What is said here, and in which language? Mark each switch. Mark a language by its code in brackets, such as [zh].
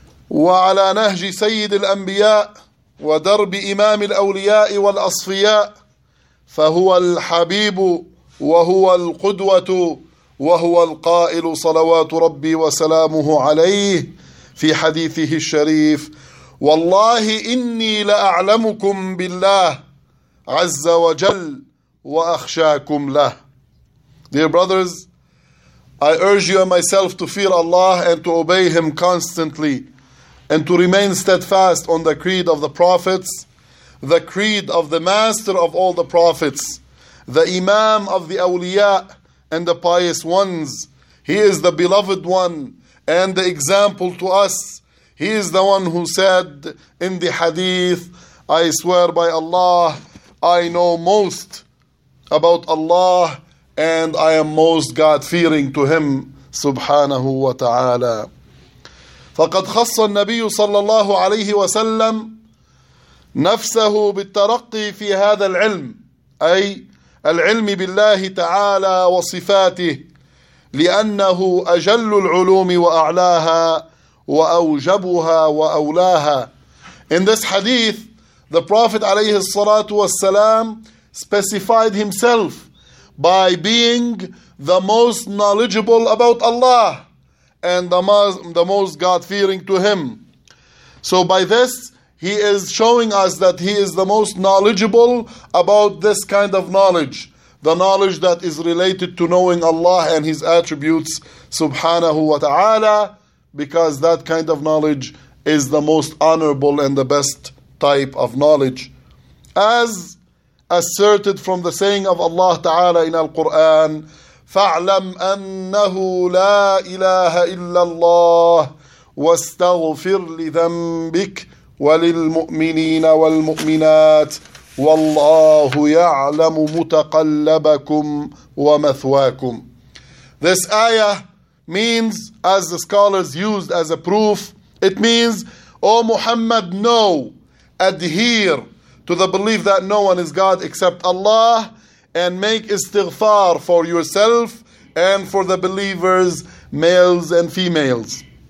[ar] وعلى نهج سيد الأنبياء ودرب إمام الأولياء والأصفياء، فهو الحبيب وهو القدوة وهو القائل صلوات ربي وسلامه عليه في حديثه الشريف: والله إني لأعلمكم بالله عز وجل وأخشاكم له. [en] Dear brothers, I urge you and myself to fear Allah and to obey Him constantly and to remain steadfast on the creed of the prophets, the creed of the master of all the prophets, the imam of the awliya and the pious ones. He is the beloved one and the example to us. He is the one who said in the hadith, I swear by Allah, I know most about Allah and I am most God-fearing to Him, subhanahu wa ta'ala. [ar] فَقَدْ خَصَّ النَّبِيُّ صَلَّى اللَّهُ عَلَيْهِ وَسَلَّمْ نفسه بالترقي في هذا العلم، أي العلم بالله تعالى وصفاته، لأنه أجل العلوم وأعلاها وأوجبها وأولاها. [en] In this hadith, the Prophet [ar] عليه الصلاة والسلام [en] specified himself by being the most knowledgeable about Allah and the most God-fearing to Him. So by this, He is showing us that He is the most knowledgeable about this kind of knowledge, the knowledge that is related to knowing Allah and His attributes, subhanahu wa ta'ala, because that kind of knowledge is the most honorable and the best type of knowledge. As asserted from the saying of Allah ta'ala in Al-Quran, [ar] فَعْلَمْ أَنَّهُ لَا إِلَهَ إِلَّا اللَّهِ وَاسْتَغْفِرْ لِذَنْبِكَ وللمؤمنين والمؤمنات والله يعلم متقلبكم ومثواكم. [en] This ayah means, as the scholars used as a proof, it means, O Muhammad, know, adhere to the belief that no one is God except Allah, and make istighfar for yourself and for the believers, males and females.